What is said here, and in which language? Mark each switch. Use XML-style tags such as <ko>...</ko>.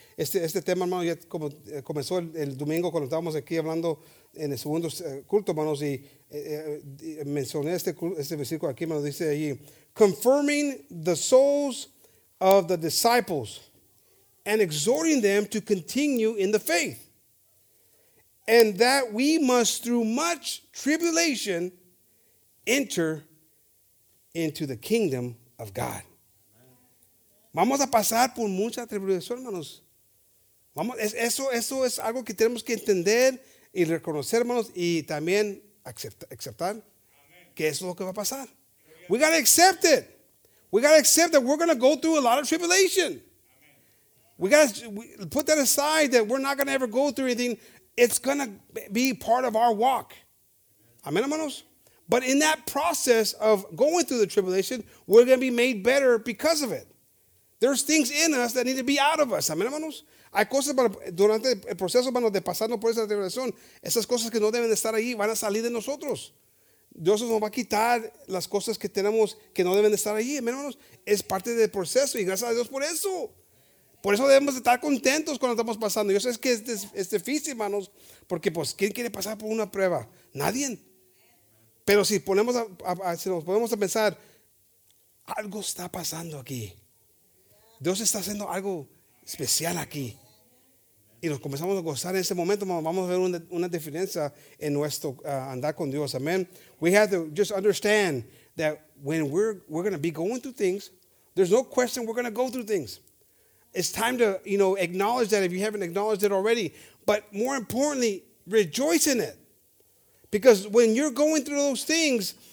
<es>Este tema, hermano, ya comenzó el domingo cuando estábamos aquí hablando en el segundo culto, hermanos, y mencioné este versículo aquí, hermano, dice allí,</es> <en>confirming the souls of the disciples and exhorting them to continue in the faith. And that we must, through much tribulation, enter into the kingdom of God.</en> <es>Vamos a pasar por mucha tribulación, hermanos. Eso es algo que tenemos que entender y reconocer, hermanos, y también aceptar que eso es lo que va a pasar.</es> <en>We got to accept it. We got to accept that we're going to go through a lot of tribulation. We got to put that aside, that we're not going to ever go through anything. It's going to be part of our walk. Amen, hermanos? But in that process of going through the tribulation, we're going to be made better because of it. There's things in us that need to be out of us. Amen, hermanos?</en> <es>Hay cosas durante el proceso, hermanos, de pasando por esa tribulación. Esas cosas que no deben de estar ahí van a salir de nosotros. Dios nos va a quitar las cosas que tenemos que no deben de estar ahí. Amen, hermanos? Es parte del proceso y gracias a Dios por eso. Por eso debemos estar contentos cuando estamos pasando. Yo sé que es difícil, hermanos, porque pues, ¿quién quiere pasar por una prueba? Nadie. Pero si nos ponemos a pensar, algo está pasando aquí. Dios está haciendo algo especial aquí. Y nos comenzamos a gozar en ese momento, vamos a ver una diferencia en nuestro andar con Dios.</es> <en>Amen. We have to just understand that when we're going to be going through things, there's no question we're going to go through things. It's time to, you know, acknowledge that if you haven't acknowledged it already. But more importantly, rejoice in it. Because when you're going through those things,</en>